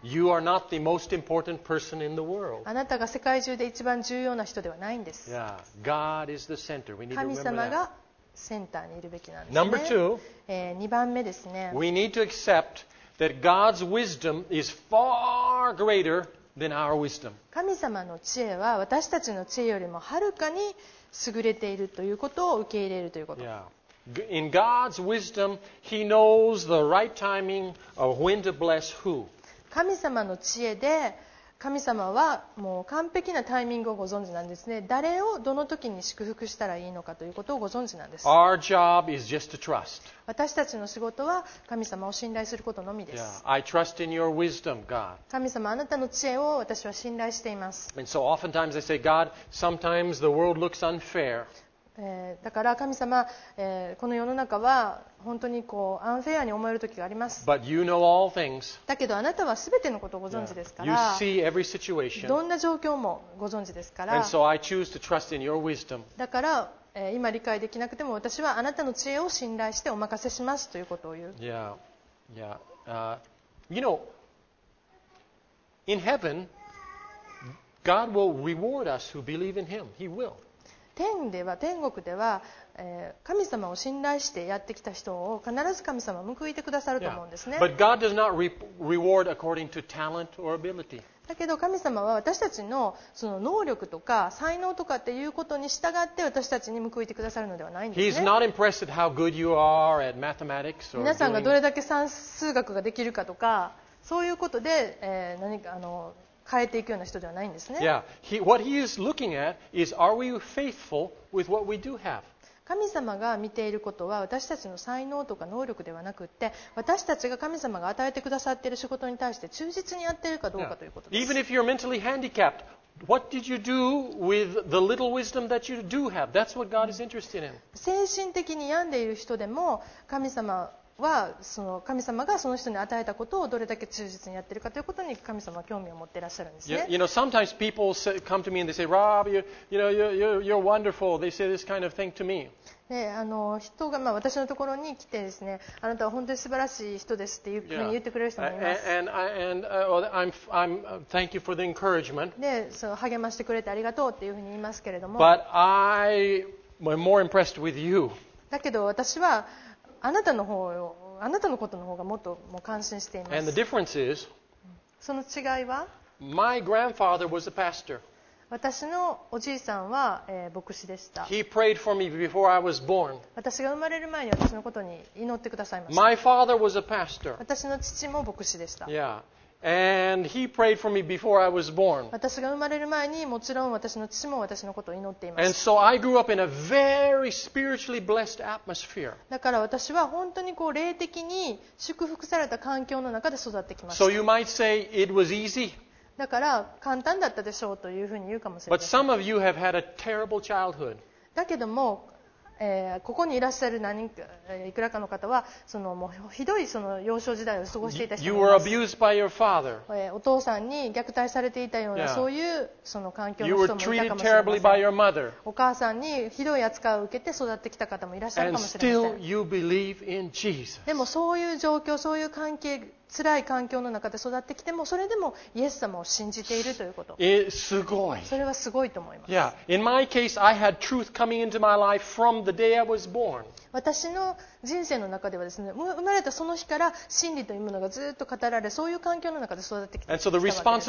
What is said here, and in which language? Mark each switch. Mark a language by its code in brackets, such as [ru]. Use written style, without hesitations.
[en] You are not the most important person in the world. [ja] あなたが世界中で一番重要な人ではないんです。 [en] Yeah. God is the center. We need to remember that. [ja] センターにいるべきなんですね。 [en] Number two, [ja] 2番目ですね。 [en] We need to accept that God's wisdom is far greater than our wisdom. [ja] 神様の知恵は私たちの知恵よりもはるかに優れているということを受け入れるということ。 [en] Yeah. In God's wisdom, He knows the right timing of when to bless who. [ja] 神様の知恵で、神様はもう完璧なタイミングをご存知なんですね。誰をどの時に祝福したらいいのかということをご存知なんです。 [en] Our job is just to trust. [ja] 私たちの仕事は神様を信頼することのみです。 [en] Yeah, I trust in your wisdom, God. [ja] 神様、あなたの知恵を私は信頼しています。 [en] And so oftentimes I say, God, sometimes the world looks unfair. [ja] だから神様、この世の中は本当にこうアンフェアに思える時があります。 [en] But you know all things. [ja] だけどあなたは全てのことをご存知ですから、 [en] yeah. You see every situation. [ja] どんな状況もご存知ですから、 [en] And so I choose to trust in your wisdom. [ja] だから、今理解できなくても私はあなたの知恵を信頼してお任せしますということを言う。 [en] Yeah. Yeah. You know, in heaven, God will reward us who believe in Him. He will. [ja] 天国では、神様を信頼してやってきた人を必ず神様は報いてくださると思うんですね。 [en] Yeah. But God does not reward according to talent or ability. [ja] だけど神様は私たち の, その能力とか才能とかっていうことに従って私たちに報いてくださるのではないんですね。 [en] He's not impressed at how good you are at mathematics or [ja] 皆さんがどれだけ算数学ができるかとか、そういうことで、何か変えていくような人ではないんですね。 [en] Yeah. He, what he is looking at is, are we faithful with what we do have? [ja] 神様が見ていることは私たちの才能とか能力ではなくって、私たちが神様が与えてくださっている仕事に対して忠実にやっているかどうかということです。 [en] Yeah. Even if you're mentally handicapped, what did you do with the little wisdom that you do have? That's what God is interested in. [ja] 精神的に病んでいる人でも神様はその神様がその人に与えたことをどれだけ忠実にやっているかということに神様は興味を持っていらっしゃるんですね。 [en] You know, sometimes people come to me and they say, Rob, you're wonderful. They say this kind of thing to me. [ja] で、人が、私のところに来てですね、あなたは本当に素晴らしい人ですっていうふうに言ってくれる人もいます。 [en] Yeah. And I'm thank you for the encouragement. [ja] で、その励ましてくれてありがとうっていうふうに言いますけれども。 [en] But I am more impressed with you. [ja] だけど私はあなたのことの方がもっともう感心しています。 [en] And the difference is, [ja] その違いは、 [en] My grandfather was a pastor. [ja] 私のおじいさんは、牧師でした。 [en] He prayed for me before I was born. [ja] 私が生まれる前に私のことに祈ってくださいました。 [en] My father was a pastor. [ja] 私の父も牧師でした。 [en] Yeah. And he prayed for me before I was born. [ja] 私が生まれる前にもちろん私の父も私のことを祈っています。 [en] And so I grew up in a very spiritually blessed atmosphere. [ja] だから私は本当にこう霊的に祝福された環境の中で育ってきました。 [en] So you might say it was easy. [ja] だから簡単だったでしょうというふうに言うかもしれない。 [en] But some of you have had a terrible childhood. [ja] だけども、ここにいらっしゃる何人か、いくらかの方はそのもうひどいその幼少時代を過ごしていた人もいます。 [en] You were abused by your father. [ja] お父さんに虐待されていたような、yeah. そういうその環境の人もいたかもしれません。 [en] You were treated terribly by your mother. [ja] お母さんにひどい扱いを受けて育ってきた方もいらっしゃるかもしれません。 [en] And still you believe in Jesus. [ja] でもそういう状況、そういう関係、辛い環境の中で育ってきてもそれでもイエス様を信じているということ。すごい。それはすごいと思います。 [en] Yeah. In my case, I had truth coming into my life from the day I was born. [ja] 私の人生の中ではですね、生まれたその日から真理というものがずっと語られ、そういう環境の中で育ってきたわけです。